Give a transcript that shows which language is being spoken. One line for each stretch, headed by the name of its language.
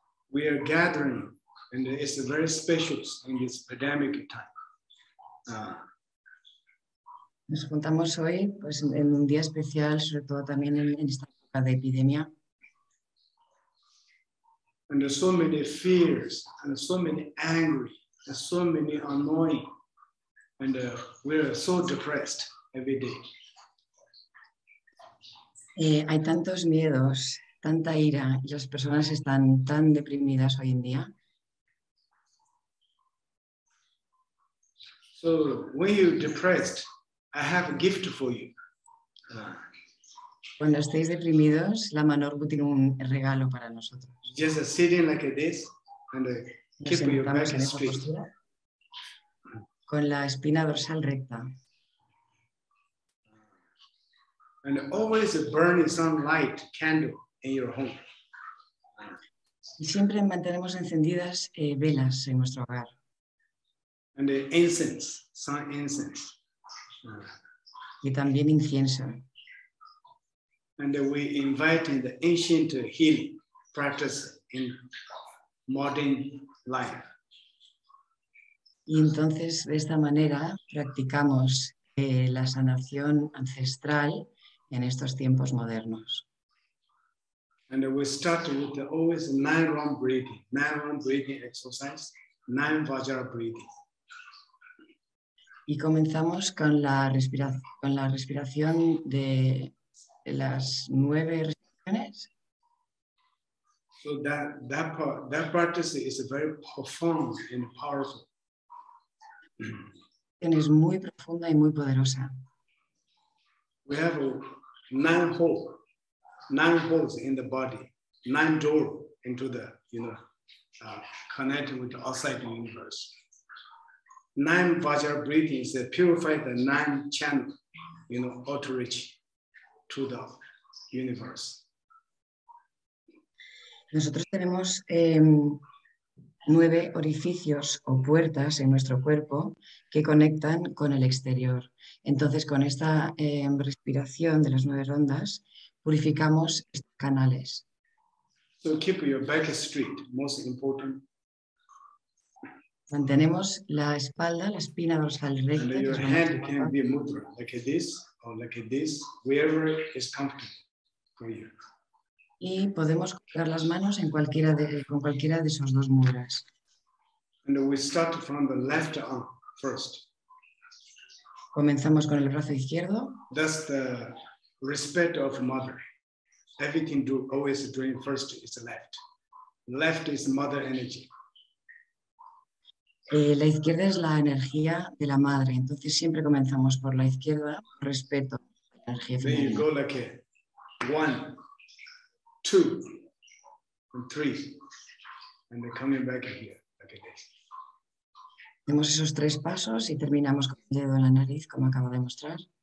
English: We are gathering, and it's very special in this pandemic time.
Spanish: Nos juntamos hoy, pues, en un día especial, sobre todo también en esta época de epidemia.
English: And there's so many fears, and so many angry, and so many annoying, and we're so depressed every day.
Spanish: Hay tantos miedos, tanta ira, y las personas están tan deprimidas hoy en día.
English: So when you're depressed, I have a gift for you.
Spanish: Cuando estéis deprimidos, Lama Norbu tiene un regalo para nosotros.
English: Just sitting like this and keep your back straight.
Spanish: Con la espina dorsal recta.
English: And always burn some light candle in your home.
Spanish: Y siempre mantenemos encendidas velas en nuestro hogar.
English: And the incense, some incense.
Spanish: Y también incienso.
English: And we invite in the ancient healing practice in modern life.
Spanish: Y entonces de esta manera practicamos la sanación ancestral en estos tiempos modernos.
English: And we start with the always nine round breathing exercise, nine vajra breathing.
Spanish: Y comenzamos con la respiración de las nueve respiraciones.
English: So that practice is very profound and powerful.
Spanish: Es muy profunda y muy poderosa.
English: We have nine holes in the body, nine doors into the, connecting with the outside universe. Nine vajra breathing is purify the nine channel, outreach to the universe.
Spanish: Nosotros tenemos nueve orificios o puertas en nuestro cuerpo que conectan con el exterior. Entonces, con esta respiración de las nueve rondas, purificamos estos canales.
English: So keep your back straight, most important.
Spanish: Mantenemos la espalda, la espina dorsal recta.
English: And your hand can be mudra, like this or like this, wherever is comfortable for you.
Spanish: Y podemos colocar las manos en cualquiera de esos dos mudras.
English: And we start from the left arm first.
Spanish: Comenzamos con el brazo izquierdo.
English: That's the respect of mother. Everything do always doing first is left. Left is mother energy.
Spanish: La izquierda es la energía de la madre. Entonces siempre comenzamos por la izquierda, respeto a la energía femenina.
English: Then you go like one. Two and three, and they're coming back here. Like this.
Spanish: Hacemos esos tres pasos y terminamos con el dedo en la nariz, como acabo de mostrar.